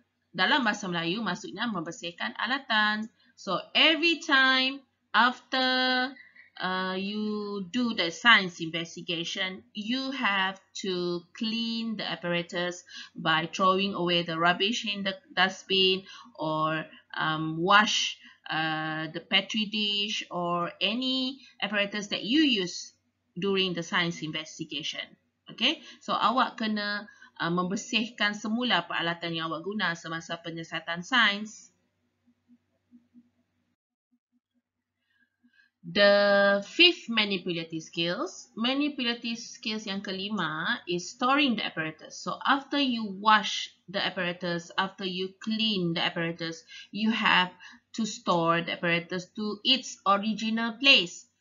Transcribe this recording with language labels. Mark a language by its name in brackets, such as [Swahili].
[Malay] Dalam bahasa Melayu, maksudnya membersihkan alatan. [English] So, every time after you do the science investigation, you have to clean the apparatus by throwing away the rubbish in the dustbin or wash the petri dish or any apparatus that you use during the science investigation. [Malay] Okay, so awak kena membersihkan semula peralatan yang awak guna semasa penyiasatan sains. [English] The fifth manipulative skills. Manipulative skills [Malay] yang kelima [English] is storing the apparatus. So after you wash the apparatus, after you clean the apparatus, you have to store the apparatus to its original place.